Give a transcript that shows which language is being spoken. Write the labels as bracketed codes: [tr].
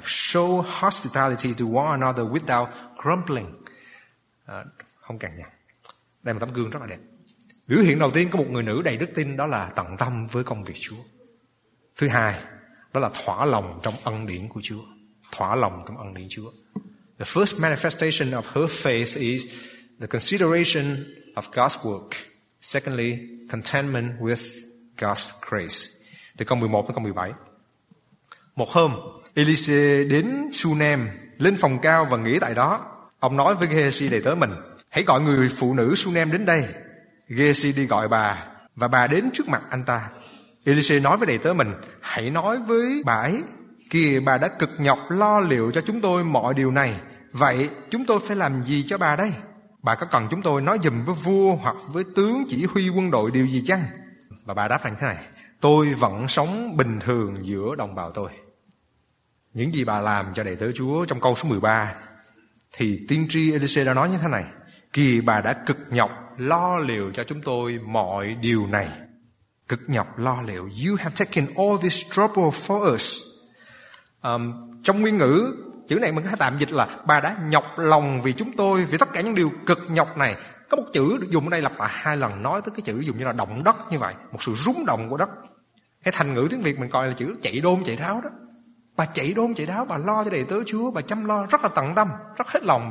[en] Show hospitality to one another without grumbling. [vi] Không cằn nhằn. Đây là một tấm gương rất là đẹp. Biểu hiện đầu tiên của một người nữ đầy đức tin đó là tận tâm với công việc Chúa. Thứ hai, đó là thỏa lòng trong ân điển của Chúa. Thỏa lòng trong ân điển Chúa. [en] The first manifestation of her faith is the consideration of God's work. Secondly, contentment with God's grace. [vi] Từ câu 11 đến câu 17. Một hôm, Elise đến Sunem, lên phòng cao và nghỉ tại đó. Ông nói với Gehazi đầy tớ mình, hãy gọi người phụ nữ Sunem đến đây. Gehazi đi gọi bà, và bà đến trước mặt anh ta. Elise nói với đầy tớ mình, hãy nói với bà ấy, kìa, bà đã cực nhọc lo liệu cho chúng tôi mọi điều này, Vậy chúng tôi phải làm gì cho bà đây? Bà có cần chúng tôi nói giùm với vua hoặc với tướng chỉ huy quân đội điều gì chăng? Và bà đáp rằng thế này: tôi vẫn sống bình thường giữa đồng bào tôi. Những gì bà làm cho đầy tớ Chúa trong câu số 13 thì tiên tri Elise đã nói như thế này: kìa, bà đã cực nhọc lo liệu cho chúng tôi mọi điều này. Cực nhọc lo liệu. [en] You have taken all this trouble for us. [vi] Trong nguyên ngữ, chữ này mình có thể tạm dịch là bà đã nhọc lòng vì chúng tôi, vì tất cả những điều cực nhọc này. Có một chữ được dùng ở đây lặp lại hai lần, nói tới cái chữ dùng như là động đất như vậy, một sự rúng động của đất. Cái thành ngữ tiếng Việt mình coi là chữ chạy đôn chạy tháo đó. Bà chạy đôn chạy tháo, bà lo cho đầy tớ Chúa, bà chăm lo rất là tận tâm, rất hết lòng.